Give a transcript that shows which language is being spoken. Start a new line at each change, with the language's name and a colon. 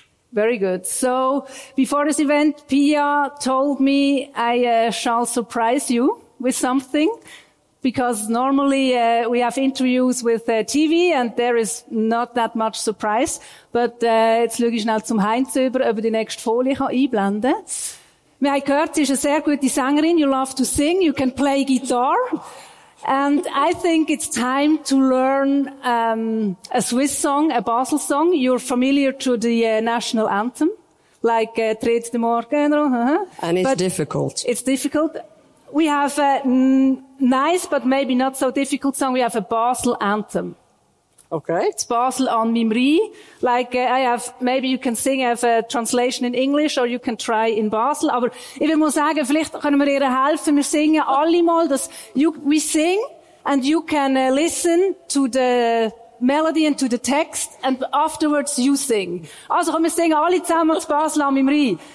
English: Very good. So before this event, Pia told me I shall surprise you with something, because normally we have interviews with TV and there is not that much surprise.
German: But jetzt schaue ich schnell zum Heinz über, ob er die nächste Folie einblenden kann. Wir haben gehört, sie ist eine sehr gute Sängerin.
English: You love to sing, you can play guitar. And I think it's time to learn a Swiss song, a Basel song. You're familiar to the national anthem, like Tritt de Morgen. And it's difficult. It's difficult. We have a nice, but maybe not so difficult song. We have a Basel anthem. Okay. It's Basel on Mimri. Like I have, maybe you can sing, I have a translation in English, or you can try in Basel.
German: Aber ich will mal sagen, vielleicht können wir ihr helfen. Wir singen alle mal, dass
English: we sing and you can listen to the melody and to the text, and afterwards you sing.
German: Also können wir singen alle zusammen das Basel on Mimri.